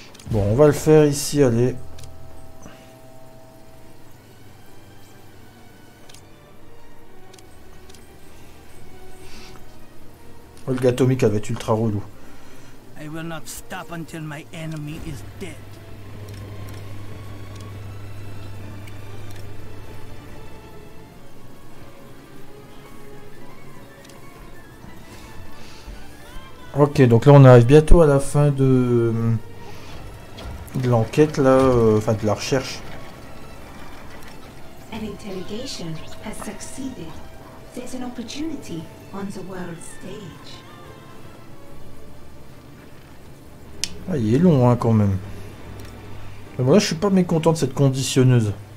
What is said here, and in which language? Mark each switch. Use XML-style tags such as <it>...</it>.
<fr>Bon, on va le faire ici, allez. Olga Atomique avait ultra relou.</fr> <en>I will not stop until my enemy is dead.</en> <fr>Ok, donc là on arrive bientôt à la fin de l'enquête là, enfin de la recherche.</fr> <en>An interrogation has succeeded. There's an opportunity on the world stage.</en> <fr>Ah, il est long hein, quand même. Mais bon, là, je suis pas mécontent de cette conditionneuse.</fr>